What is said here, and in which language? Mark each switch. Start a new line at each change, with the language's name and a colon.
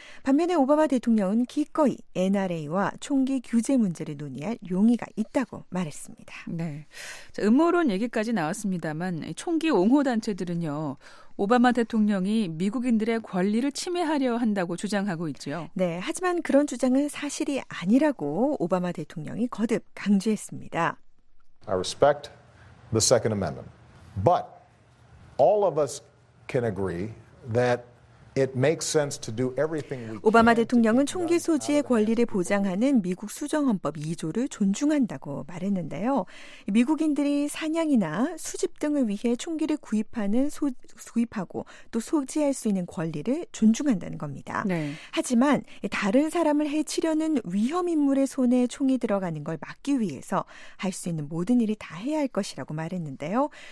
Korean: 반면에 오바마 대통령은 기꺼이 NRA와 총기 규제 문제를 논의할 용의가 있다고 말했습니다. 네, 자, 음모론 얘기까지 나왔습니다만 총기 옹호단체들은요. 오바마 대통령이 미국인들의 권리를 침해하려 한다고 주장하고 있죠. 네, 하지만 그런 주장은 사실이 아니라고 오바마 대통령이 거듭 강조했습니다.
English: I respect the Second Amendment, but all of us can agree that it makes sense to do everything we can.
Korean: 오바마 대통령은 총기 소지의 권리를 보장하는 미국 수정헌법 2조를 존중한다고 말했는데요. 미국인들이 사냥이나 수집 등을 위해 총기를 구입하고 또 소지할 수 있는 권리를 존중한다는 겁니다. 네. 하지만 다른 사람을 해치려는 위험 인물의 손에 총이 들어가는 걸 막기 위해서 할 수 있는 모든 일이 다 해야 할 것이라고 말했는데요.